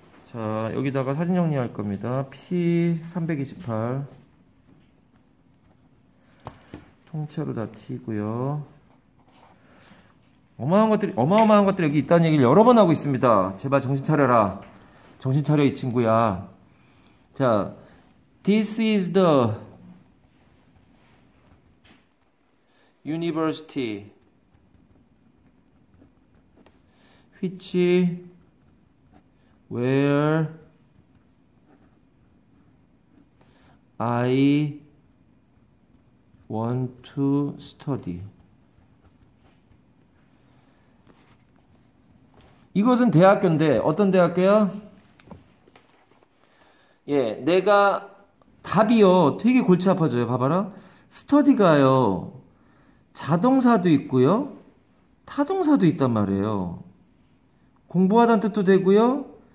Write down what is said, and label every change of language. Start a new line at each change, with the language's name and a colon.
Korean: 자, 여기다가 사진 정리할 겁니다. P328 통째로 다 T고요. 어마어마한 것들이 여기 있다는 얘기를 여러 번 하고 있습니다. 제발 정신 차려라. 정신 차려, 이 친구야.
English: 자, This is the university which where I want to study.
Korean: 이것은 대학교인데 어떤 대학교야? 예, 내가 답이요. 되게 골치 아파져요. 봐봐라. 스터디가요. 자동사도 있고요. 타동사도 있단 말이에요. 공부하다는 뜻도 되고요.